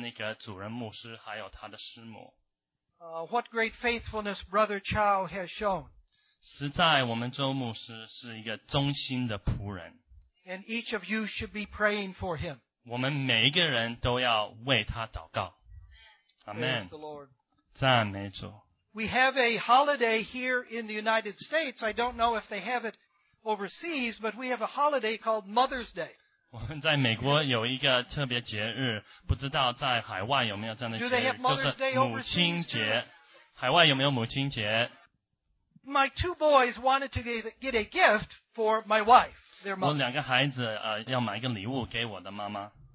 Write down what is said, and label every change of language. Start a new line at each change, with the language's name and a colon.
Chinese: 这个真是何等有意义,对我跟那个主任牧师还有他的师母。
English: What great faithfulness Brother Chow has shown.
Chinese: 实在我们周牧师是一个忠心的仆人。
English: And each of you should be praying for him.
Chinese: 我们每一个人都要为他祷告。
English: Amen. Praise the Lord.
Chinese: 赞美主。
English: We have a holiday here in the United States. I don't know if they have it overseas, but we have a holiday called Mother's Day.
Chinese: 我们在美国有一个特别节日，不知道在海外有没有这样的节日？
English: Do they have Mother's Day overseas?
Chinese: 母亲节。海外有没有母亲节？
English: My two boys wanted to get a gift for my wife, their mother.
Chinese: 我两个孩子要买一个礼物给我的妈妈。